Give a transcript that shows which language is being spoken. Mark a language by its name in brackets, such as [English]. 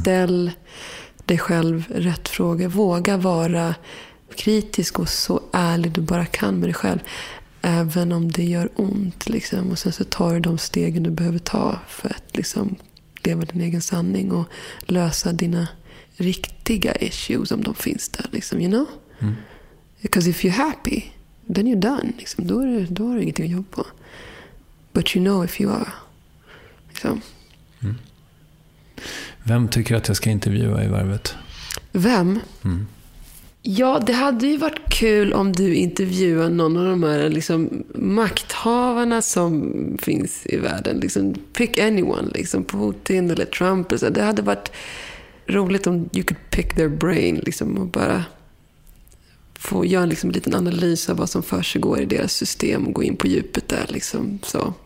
[Swedish] Ställ dig själv rätt fråga. Våga vara kritisk och så ärlig du bara kan med dig själv, även om det gör ont liksom. Och sen så tar du de stegen du behöver ta för att liksom leva din egen sanning och lösa dina riktiga issues, om de finns där liksom, [English] you know. Mm. Because if you're happy, then you're done [Swedish] liksom. Då har du ingenting att jobba på. [English] But you know if you are [Swedish] liksom. Mm. Vem tycker att jag ska intervjua i varvet? Vem? Mm. Ja, det hade ju varit kul om du intervjuade någon av de här liksom makthavarna som finns i världen liksom. [English] Pick anyone [Swedish] liksom, Putin eller Trump eller så. Det hade varit roligt om [English] you could pick their brain [Swedish] liksom, och bara få göra liksom en liten analys av vad som försiggår i deras system och gå in på djupet där liksom, så.